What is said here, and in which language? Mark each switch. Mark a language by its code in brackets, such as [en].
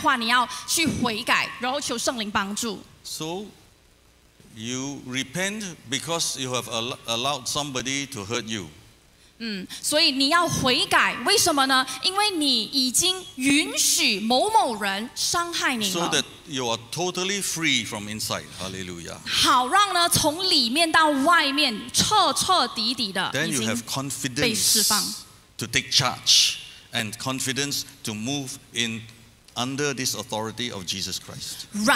[zh] 所以你去看一看你自己的感觉，你还有这个痛吗？然后如果你已经原谅了，感觉上你第二天再问自己这个感觉还在的话，你要去悔改，然后求圣灵帮助。So [en] you repent because you have allowed somebody to hurt you. [zh] 所以你要悔改，为什么呢？因为你已经允许某某人伤害你了。 [en] So that you are totally free from inside. Hallelujah. [zh] 好让呢，从里面到外面，彻彻底底的。 [en] Then you have confidence to take charge and confidence to move in under this authority of Jesus Christ.